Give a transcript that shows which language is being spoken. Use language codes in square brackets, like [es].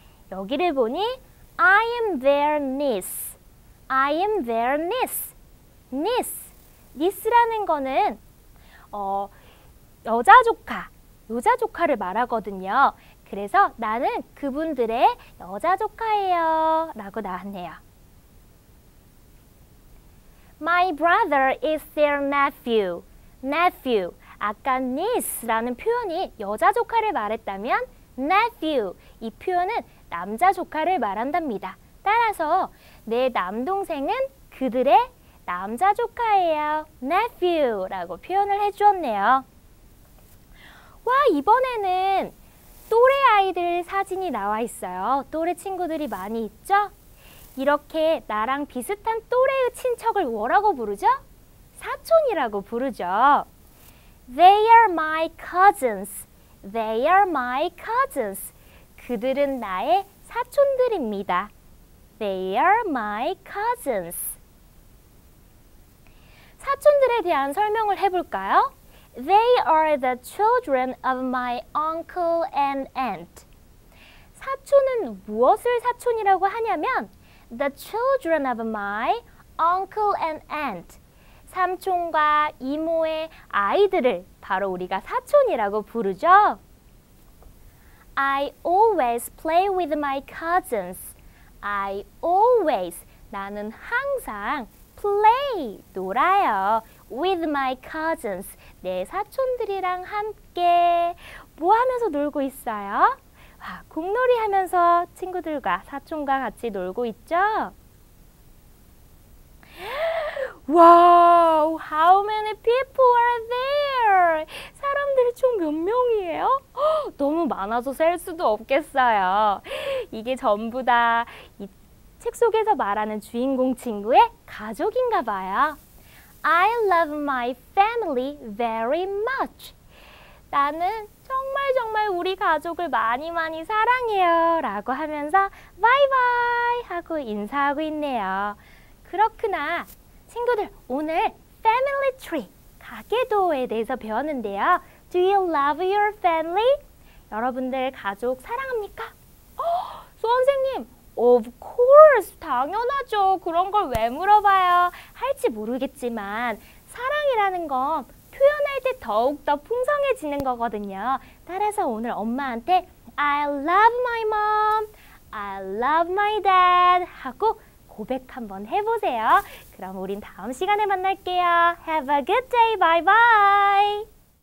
[ko] 여기를 보니 [en] I am their niece. I am their niece. niece. [ko] niece라는 거는 여자 조카, 여자 조카를 말하거든요. 그래서 나는 그분들의 여자 조카예요 라고 나왔네요. [en] My brother is their nephew. nephew. [ko] 아까 niece라는 표현이 여자 조카를 말했다면 nephew, 이 표현은 남자 조카를 말한답니다. 따라서 내 남동생은 그들의 남자 조카예요. nephew라고 표현을 해주었네요. 와, 이번에는 또래 아이들 사진이 나와 있어요. 또래 친구들이 많이 있죠? 이렇게 나랑 비슷한 또래의 친척을 뭐라고 부르죠? 사촌이라고 부르죠. [en] They are my cousins. They are my cousins. [ko] 그들은 나의 사촌들입니다. [en] They are my cousins. [ko] 사촌들에 대한 설명을 해볼까요? [en] They are the children of my uncle and aunt. [ko] 사촌은 무엇을 사촌이라고 하냐면 [en] the children of my uncle and aunt. [ko] 삼촌과 이모의 아이들을 바로 우리가 사촌이라고 부르죠. [en] I always play with my cousins. I always, [ko] 나는 항상 play, 놀아요. [en] With my cousins, [ko] 내 사촌들이랑 함께. 뭐 하면서 놀고 있어요? 와, 공놀이 하면서 친구들과 사촌과 같이 놀고 있죠? 와우, [en] how many people are there? [ko] 사람들이 총 몇 명이에요? 너무 많아서 셀 수도 없겠어요. 이게 전부 다 이 책 속에서 말하는 주인공 친구의 가족인가 봐요. [en] I love my family very much. [ko] 나는 정말 정말 우리 가족을 많이 많이 사랑해요 라고 하면서 바이 바이 하고 인사하고 있네요. 그렇구나. 친구들, 오늘 family tree, 가계도에 대해서 배웠는데요. [en] Do you love your family? [ko] 여러분들 가족 사랑합니까? 수원 선생님, [en] of course, [ko] 당연하죠. 그런 걸 왜 물어봐요? 할지 모르겠지만 사랑이라는 건 표현할 때 더욱더 풍성해지는 거거든요. 따라서 오늘 엄마한테 [en] I love my mom, I love my dad [ko] 하고 고백 한번 해보세요. 그럼 우린 다음 시간에 만날게요. [en] Have a good day. Bye bye.